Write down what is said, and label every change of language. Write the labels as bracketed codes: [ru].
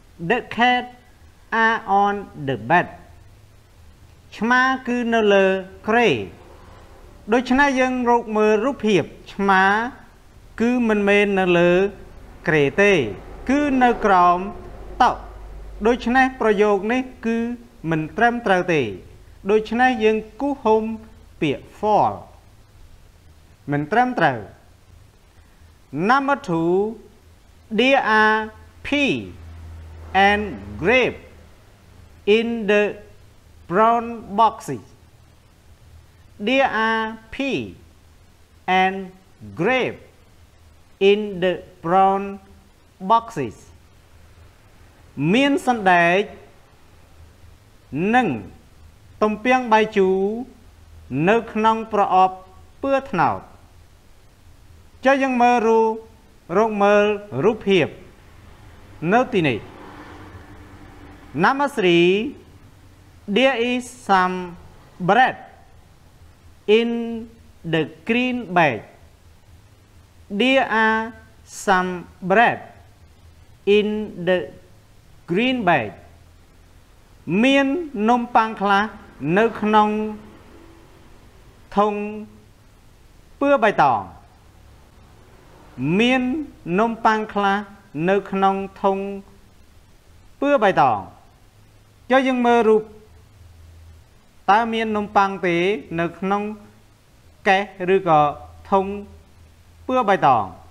[en] The cat are on the bed. [km] ឆ្មាគឺនៅលើគ្រែ ដូច្នេះយើងរកមើលរូបភាព ឆ្មាគឺមិនមែននៅលើគ្រែទេ គឺនៅក្រោមតុ ដូច្នេះប្រយោគនេះគឺមិនត្រឹមត្រូវទេ ដូច្នេះយើងគូសហុំពាក្យ fall. មិនត្រឹមត្រូវ [en] Number 2, there are pea and grape in the brown boxes. There are pea and grape in the brown boxes. [km] មានសណ្តែក1ទំពាំងបាយជូរនៅក្នុងប្រអប់ពឿថ្នោតចុះយើងមើលរកមើលរូបភាពនៅទីនេះ [en] Number 3 There is some bread in the green bag. There are some bread in the green bag. [km] មាននំប៉័ងខ្លះនៅក្នុងធុងពឿបៃតងមាននំប៉័ងខ្លះនៅក្នុងធុងពឿបៃតងចុះយើងមើលរូបតើមាននំប៉័ងទេនៅក្នុងកែសឬក៏ធុងពឿបៃតង